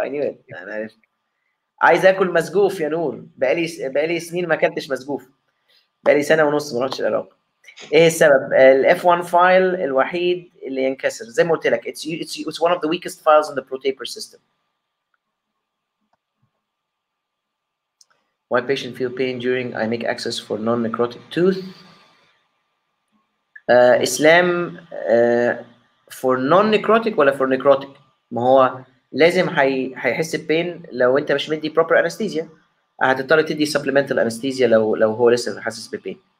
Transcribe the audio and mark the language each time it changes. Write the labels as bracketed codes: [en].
[ar] انا عايز اكل مسجوف يا نور, بقالي سنين ما اكلتش مسجوف, بقالي سنه ونص ما رحتش العراق. ايه السبب؟ الاف 1 فايل الوحيد اللي ينكسر زي ما قلت لك, [en] it's one of the weakest files in the protaper system. Why patient feel pain during I make access for non necrotic tooth? اسلام, for non necrotic ولا for necrotic؟ ما هو لازم هيحس بين لو انت مش مدي proper anesthesia, هتضطر تدي supplemental anesthesia لو هو لسه حاسس ببين.